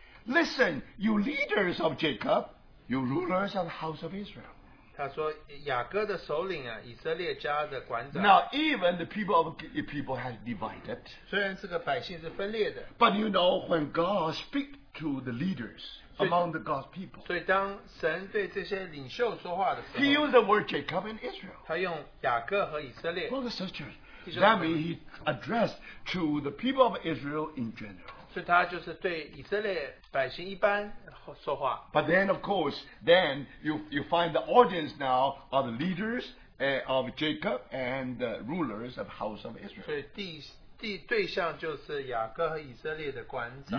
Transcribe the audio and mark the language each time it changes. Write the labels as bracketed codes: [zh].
[en] Listen, you leaders of Jacob, you rulers of the house of Israel. [zh] 他说, 雅各的首领啊, 以色列家的馆长, [en] now even the people of the people have divided. [zh] 虽然这个百姓是分裂的, [en] but you know when God speaks to the leaders [zh] 所以, [en] among the God's people. [zh] 所以当神对这些领袖说话的时候, [en] he used the word Jacob and Israel. [zh] 他用雅各和以色列, [en] well, the sisters, that means he addressed to the people of Israel in general. [zh] 所以他就是对以色列百姓一般, [en] But then, of course, then you find the audience now are the leaders of Jacob and the rulers of the house of Israel. [zh] 所以对象就是雅各和以色列的官长。